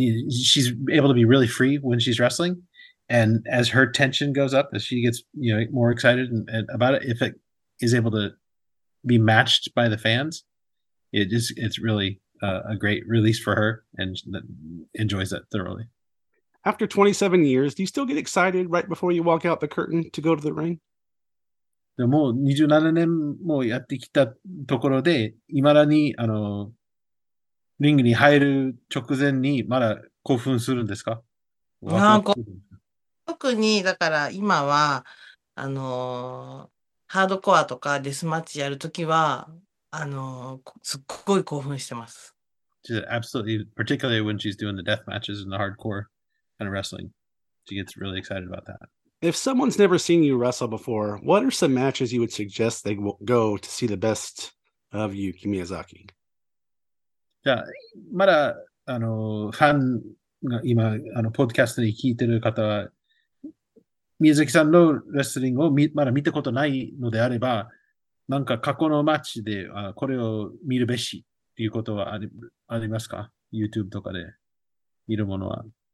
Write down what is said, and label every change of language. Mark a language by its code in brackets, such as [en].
[en] She's able to be really free when she's wrestling, and as her tension goes up, as she gets more excited and about it, if it is able to be matched by the fans, it's really a great release for her and enjoys it thoroughly. After 27 years, do you still get excited right before you walk out the curtain to go to the ring? [ja] でも27年もやってきたところで、いまだにリングに入る直前にまだ興奮するんですか？なんか特にだから今はハードコアとかデスマッチやるときはすっごい興奮してます。 [en] She's absolutely, particularly when she's doing the death matches and the hardcore. Kind of wrestling. She gets really excited about that. If someone's never seen you wrestle before, what are some matches you would suggest they go to see the best of you, Kimiyazaki? [ja] Yeah, まだファンが今ポッドキャストに聞いてる方は、Miyazaki さんのレスリングをまだ見たことないのであれば、なんか過去のマッチでこれを見るべしっていうことはありますか ?YouTube とかで見るものは。